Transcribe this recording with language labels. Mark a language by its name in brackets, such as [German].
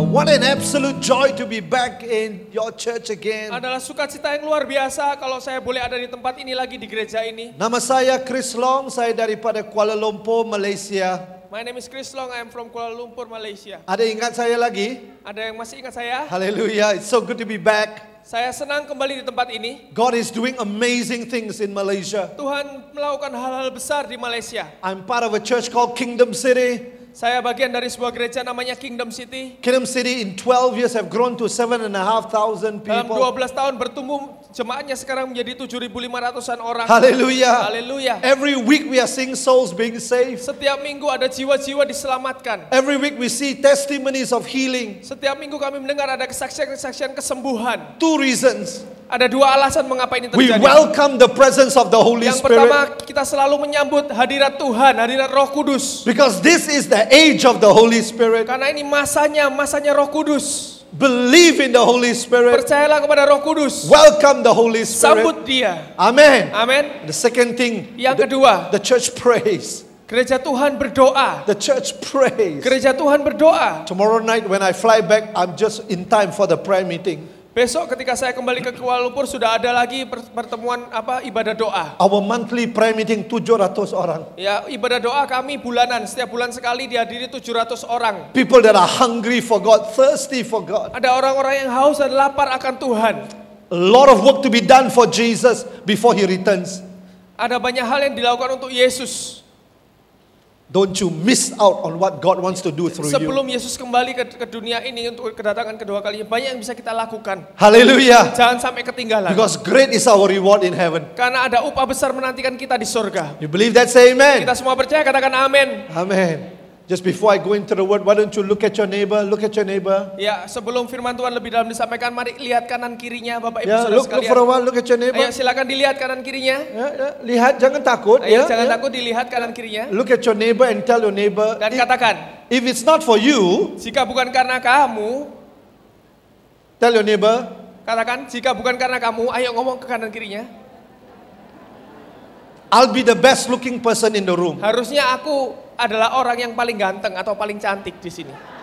[English] What an absolute joy to be back in your church again. [Indonesian] Adalah sukacita yang luar biasa kalau saya boleh ada di tempat ini lagi, di gereja ini. Nama saya Chris Long, saya daripada Kuala Lumpur, Malaysia. [English] My name is Chris Long, I'm from Kuala Lumpur, Malaysia. [Indonesian] Ada yang ingat saya lagi? Ada yang masih ingat saya? [English] Hallelujah. It's so good to be back. [Indonesian] Saya senang kembali di tempat ini. [English] God is doing amazing things in Malaysia. [Indonesian] Tuhan melakukan hal-hal besar di Malaysia. [English] I'm part of a church called Kingdom City. [Indonesian] Saya bagian dari sebuah gereja namanya Kingdom City. [English] Kingdom City in 12 years have grown to 7,500 people. [Indonesian] Dalam 12 tahun bertumbuh jemaatnya sekarang menjadi 7,500-an orang. Hallelujah. Hallelujah. [English] Every week we are seeing souls being saved. [Indonesian] Setiap minggu ada jiwa-jiwa diselamatkan. [English] Every week we see testimonies of healing. [Indonesian] Setiap minggu kami mendengar ada kesaksian-kesaksian kesembuhan. [English] Two reasons. [Indonesian] Ada dua alasan mengapa ini terjadi. [English] We welcome the presence of the Holy Spirit. [Indonesian] Yang pertama, kita selalu menyambut hadirat Tuhan, hadirat Roh Kudus. [English] Because this is the age of the Holy Spirit. [Indonesian] Karena ini masanya Roh Kudus. [English] Believe in the Holy Spirit. [Indonesian] Percayalah kepada Roh Kudus. [English] Welcome the Holy Spirit. [Indonesian] Sambut Dia. Amen. Amen. [English] The second thing. [Indonesian] Yang kedua. [English] The church prays. [Indonesian] Gereja Tuhan berdoa. [English] The church prays. [Indonesian] Gereja Tuhan berdoa. [English] Tomorrow night when I fly back, I'm just in time for the prayer meeting. [Indonesian] Besok ketika saya kembali ke Kuala Lumpur sudah ada lagi pertemuan ibadah doa. [English] Our monthly prayer meeting 700 orang. [Indonesian] Ya, ibadah doa kami bulanan, setiap bulan sekali dihadiri 700 orang. [English] People that are hungry for God, thirsty for God. [Indonesian] Ada orang-orang yang haus dan lapar akan Tuhan. [English] A lot of work to be done for Jesus before he returns. [Indonesian] Ada banyak hal yang dilakukan untuk Yesus. [English] Don't you miss out on what God wants to do through you. [Indonesian] Sebelum Yesus kembali ke dunia ini untuk kedatangan kedua kalinya, banyak yang bisa kita lakukan. Hallelujah. Jangan sampai ketinggalan. [English] Because great is our reward in heaven. [Indonesian] Karena ada upah besar menantikan kita di surga. [English] You believe that, say amen. [Indonesian] Kita semua percaya, katakan amin. Amen. [English] Just before I go into the word, why don't you look at your neighbor? Look at your neighbor. [Indonesian] Ya, sebelum firman Tuhan lebih dalam disampaikan, mari lihat kanan kirinya, Bapak Ibu saudara sekalian. [English] Look for a while, look at your neighbor. [Indonesian] Ayo, silakan dilihat kanan kirinya. Lihat, jangan takut. Ayo, jangan takut, dilihat kanan kirinya. [English] Look at your neighbor and tell your neighbor. [Indonesian] Dan katakan. [English] If it's not for you. [Indonesian] Jika bukan karena kamu. [English] Tell your neighbor. [Indonesian] Katakan, jika bukan karena kamu, ayo ngomong ke kanan kirinya. [English] I'll be the best looking person in the room. [Indonesian] Harusnya aku adalah orang yang paling ganteng atau paling cantik di sini.